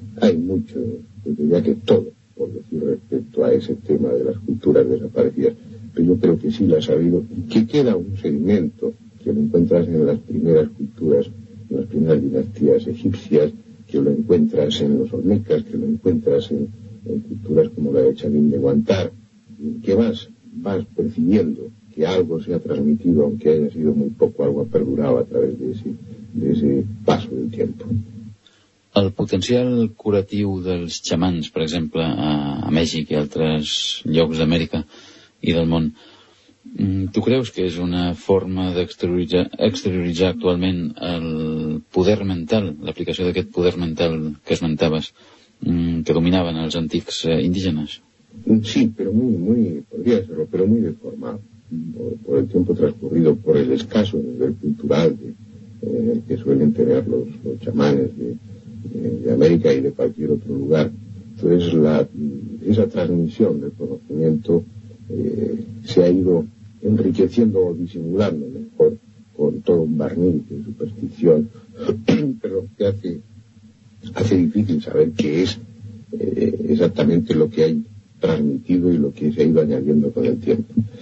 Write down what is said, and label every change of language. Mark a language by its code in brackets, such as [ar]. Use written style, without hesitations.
[es] Hay mucho, yo diría que todo, por decir, respecto a ese tema de las culturas desaparecidas, pero yo creo que sí lo ha sabido, y que queda un sedimento que lo encuentras en las primeras culturas, en las primeras dinastías egipcias, que lo encuentras en los olmecas, que lo encuentras en culturas como la de Chavín de Guantar, que vas percibiendo que algo se ha transmitido, aunque haya sido muy poco, algo ha perdurado a través de ese paso del tiempo. [ca] El potencial curatiu dels xamans, per exemple, a Mèxic i altres llocs d'Amèrica i del món, tu creus que és una forma d'exterioritzar actualment el poder mental, l'aplicació d'aquest poder mental que esmentaves, que dominaven els antics indígenes? [es] Sí, pero muy, podría serlo, pero muy deformado por el tiempo transcurrido, por el escaso nivel cultural que suelen tener los chamanes de América y de cualquier otro lugar. Entonces, esa transmisión del conocimiento se ha ido enriqueciendo o disimulando mejor con todo un barniz de superstición, pero que hace difícil saber qué es exactamente lo que hay transmitido y lo que se ha ido añadiendo con el tiempo.